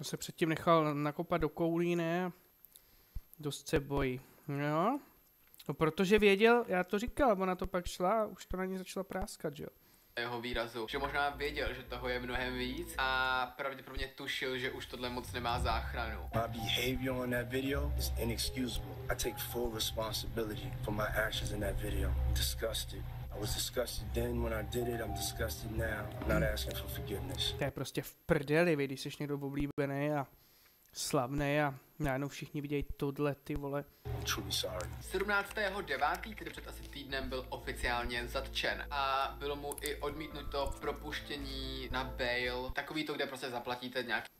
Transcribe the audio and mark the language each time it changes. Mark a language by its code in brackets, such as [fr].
[cs] On se předtím nechal nakopat do koulí, ne? Dost se bojí, jo? No protože věděl, já to říkal, ona to pak šla a už to na ní začala práskat, že jo? Jeho výrazu, že možná věděl, že toho je mnohem víc a pravděpodobně tušil, že už tohle moc nemá záchranu. [en] My behavior on that video is inexcusable. I take full responsibility for my actions in that video. Disgusted. I was disgusted then when I did it, I'm disgusted now. I'm not asking for forgiveness. [cs] To je prostě v prdeli, vy, když jsi někdo oblíbený a slavný a najednou všichni vidějí tohle, ty vole. 17.9., který před asi týdnem byl oficiálně zatčen a bylo mu i odmítnuto propuštění na bail, takový to, kde prostě zaplatíte nějaký...